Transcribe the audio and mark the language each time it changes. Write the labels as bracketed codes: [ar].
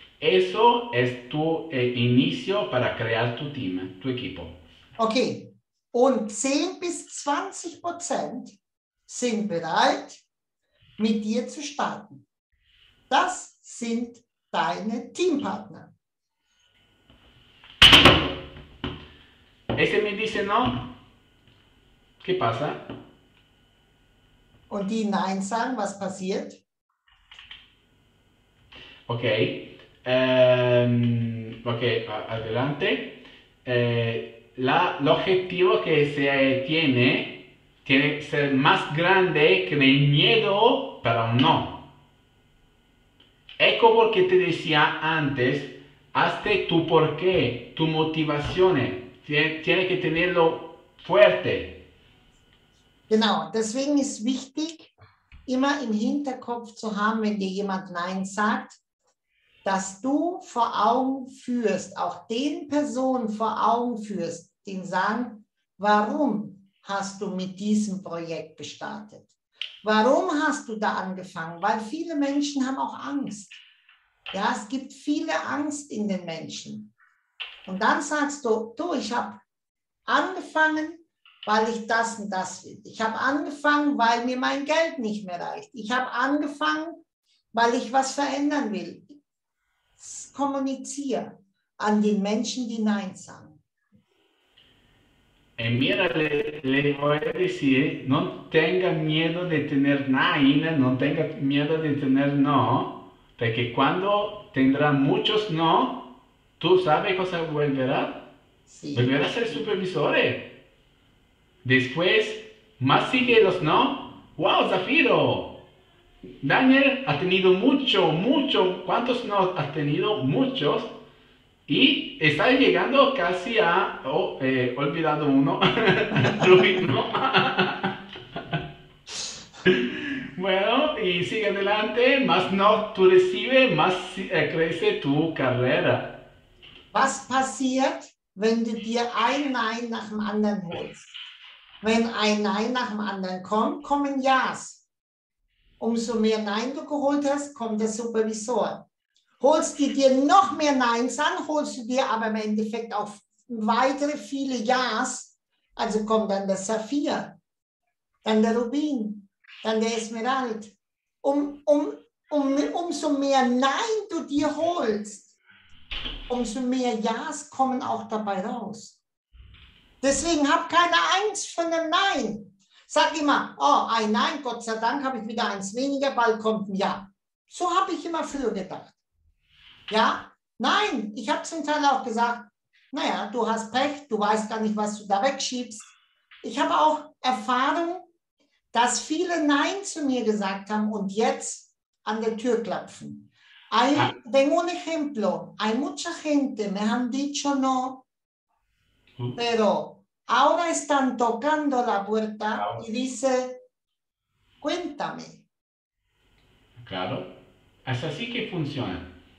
[es] Eso es tu inicio para crear tu team, tu equipo. Okay. [de] Und 10-20% sind bereit, mit dir zu starten. Das sind deine Teampartner. [it] E se mi dice no, che passa? [de] Und die Nein sagen, was passiert? [es] Okay, okay, adelante. el objetivo que se tiene tiene que ser más grande que el miedo, pero no. Es como lo que te decía antes, hazte tu porqué, tu motivación, tiene que tenerlo fuerte. [de] Genau, deswegen ist wichtig, immer im Hinterkopf zu haben, wenn dir jemand Nein sagt, dass du vor Augen führst, auch den Personen vor Augen führst, die sagen, warum hast du mit diesem Projekt gestartet? Warum hast du da angefangen? Weil viele Menschen haben auch Angst. Ja, es gibt viele Angst in den Menschen. Und dann sagst du, du, ich habe angefangen, weil ich das und das will. Ich habe angefangen, weil mir mein Geld nicht mehr reicht. Ich habe angefangen, weil ich was verändern will. Kommuniziere an den Menschen, die Nein sagen. [es] Y mira, le voy a decir, no tenga miedo de tener nine, no tenga miedo de tener no, porque cuando tendrá muchos no, tú sabes cosa volverá. Sí. Volverá a ser supervisor. Después, más sigue los no. ¡Wow, Zafiro! Daniel ha tenido mucho. ¿Cuántos no ha tenido? Muchos. Y está llegando casi a... Oh, olvidado uno. ¿No? Bueno, y sigue adelante. Más no tú recibes, más crece tu carrera. [de] Was passiert, wenn du dir ein Nein nach dem anderen holst? Wenn ein Nein nach dem anderen kommt, kommen Ja's. Umso mehr Nein du geholt hast, kommt der Supervisor. Holst du dir noch mehr Neins an, holst du dir aber im Endeffekt auch weitere viele Ja's, also kommt dann der Saphir, dann der Rubin, dann der Esmerald. Umso mehr Nein du dir holst, umso mehr Ja's kommen auch dabei raus. Deswegen hab keine Eins von einem Nein. Sag immer, oh, ein Nein, Gott sei Dank habe ich wieder eins weniger, bald kommt ein Ja. So habe ich immer früher gedacht. Ja, nein, ich habe zum Teil auch gesagt, naja, du hast Pech, du weißt gar nicht, was du da wegschiebst. Ich habe auch Erfahrung, dass viele Nein zu mir gesagt haben und jetzt an der Tür klopfen. [es] Tengo un ejemplo, hay mucha gente, me han dicho no, pero ahora están tocando la puerta y dice, cuéntame. Claro, es así que funciona.